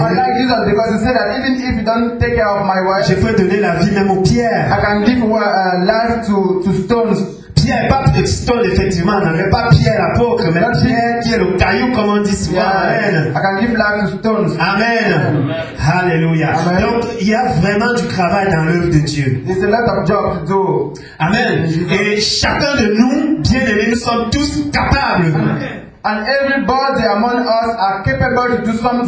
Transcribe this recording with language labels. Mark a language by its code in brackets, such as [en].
[en] I like Jesus because he said that even if you don't take care of my wife, [fr] je peux donner la vie même aux pierres. [en] I can give life to stones. [fr] Pierre, pas de stone, effectivement, n'avait pas Pierre l'apôtre, mais [en] God [fr] Pierre qui est le caillou, comme on dit souvent. [en] Yeah. Amen. I can give life to stones. Amen. Alléluia. [fr] Donc, il y a vraiment du travail dans l'œuvre de Dieu. [en] It's a lot of job to do. [fr] Amen. Et chacun de nous, bien aimés, nous sommes tous capables. Amen. [en] And everybody among us are capable to do something.